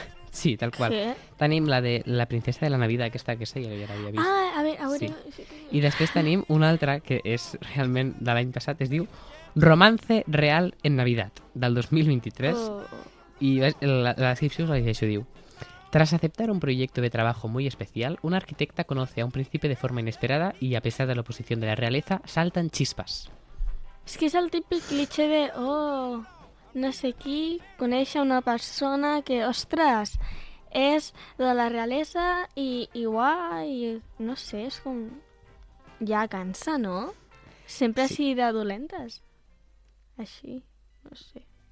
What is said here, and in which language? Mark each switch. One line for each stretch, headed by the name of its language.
Catalan: Sí, tal qual. Sí. Tenim la de La princesa de la Navidad, aquesta que sé, ja l'havia vist. Ah, a veure... Sí. I després tenim una altra que és realment de l'any passat, es diu Romance Real en Navidad, del 2023. Oh. I la descripció us la llegeixo, diu...
Spanish: Tras aceptar un proyecto de trabajo muy especial, una arquitecta conoce a un príncipe de forma inesperada y, a pesar de la oposición de la realeza, saltan chispas. Es que es el típico cliché de... Oh.
Catalan: No sé qui, conèixer una persona que, ostres, és de la realesa i guai, no sé, és com... Ja cansa, no? Sempre sí. Així de dolentes. Així, no sé.